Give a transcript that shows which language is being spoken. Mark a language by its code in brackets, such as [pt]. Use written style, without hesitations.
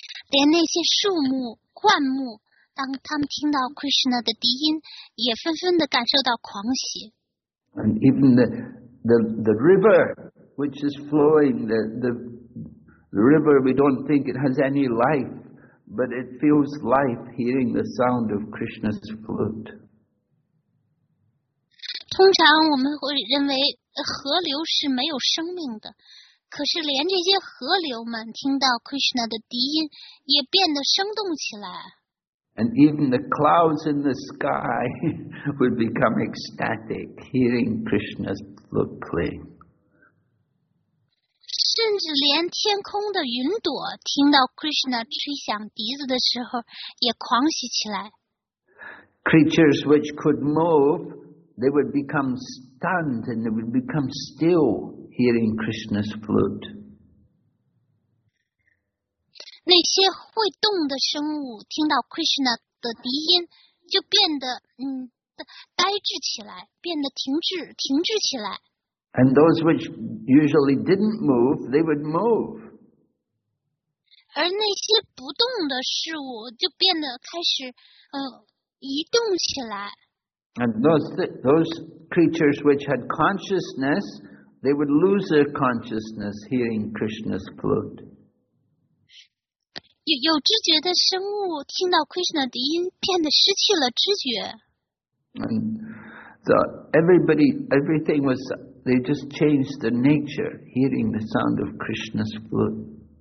[zh] 连那些树木、灌木，当他们听到 Krishna 的笛音，也纷纷地感受到狂喜。 [en] And even the river which is flowing, the river we don't think it has any life, but it feels life hearing the sound of Krishna's flute. [zh] 通常我们会认为。河流是没有生命的，可是连这些河流们听到 Krishna 的笛音也变得生动起来。 [en] And even the clouds in the sky would become ecstatic hearing Krishna's flute playing. [zh] 甚至连天空的云朵听到 Krishna 吹响笛子的时候也狂喜起来。 [en] Creatures which could move, they would become stunned and they would become still hearing Krishna's flute. [zh] 那些会动的生物听到 Krishna 的笛音就变得呆滞起来，变得停滞起来。 [en] And those which usually didn't move, they would move. [zh] 而那些不动的事物就变得开始移动起来。 [en] And those creatures which had consciousness, they would lose their consciousness hearing Krishna's flute. [zh] 有知觉的生物听到 Krishna 的音变得失去了知觉。 [en] And so everything was, they just changed their nature hearing the sound of Krishna's flute.